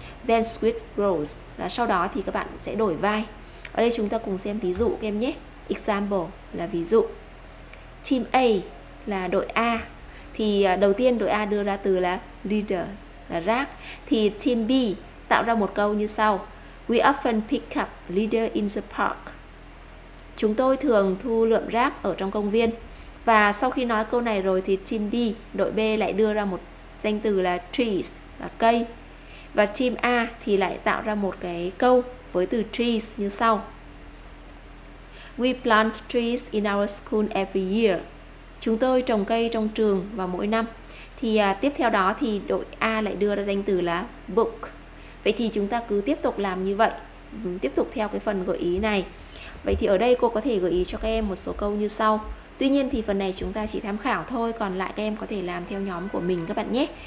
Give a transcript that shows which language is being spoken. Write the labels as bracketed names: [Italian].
[English] Then switch roles, [Vietnamese] là sau đó thì các bạn sẽ đổi vai. Ở đây chúng ta cùng xem ví dụ các em nhé. Example là ví dụ. Team A là đội A. Thì đầu tiên đội A đưa ra từ là leader, là rác. Thì team B tạo ra một câu như sau. [English] We often pick up litter in the park. [Vietnamese] Chúng tôi thường thu lượm rác ở trong công viên. Và sau khi nói câu này rồi thì team B, đội B lại đưa ra một danh từ là trees, là cây. Và team A thì lại tạo ra một cái câu với từ trees như sau. [English] We plant trees in our school every year. [Vietnamese] Chúng tôi trồng cây trong trường vào mỗi năm. Thì tiếp theo đó thì đội A lại đưa ra danh từ là book. Vậy thì chúng ta cứ tiếp tục làm như vậy, tiếp tục theo cái phần gợi ý này. Vậy thì ở đây cô có thể gợi ý cho các em một số câu như sau. Tuy nhiên thì phần này chúng ta chỉ tham khảo thôi, còn lại các em có thể làm theo nhóm của mình các bạn nhé.